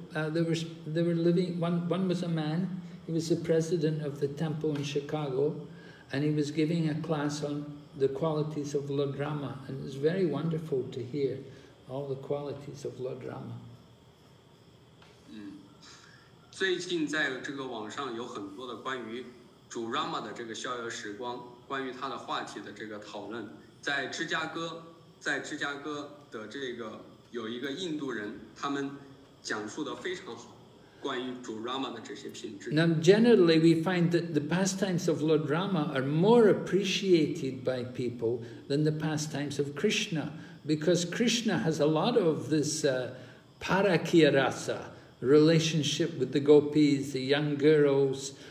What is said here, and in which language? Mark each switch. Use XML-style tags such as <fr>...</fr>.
<en>One was a man. He was the president of the temple in Chicago, and he was giving a class on the qualities of Lord Rama, and it was very wonderful to hear all the qualities of Lord Rama.</en> <zh>最近在这个网上有很多的关于主 Rama 的这个逍遥时光，关于他的话题的这个讨论，在芝加哥的这个有一个印度人，他们讲述的非常好，关于主 Rama 的这些品质。</zh> <en>Now generally we find that the pastimes of Lord Rama are more appreciated by people than the pastimes of Krishna, because Krishna has a lot of this parakya rasa, relationship with the gopis, the young girls.</en>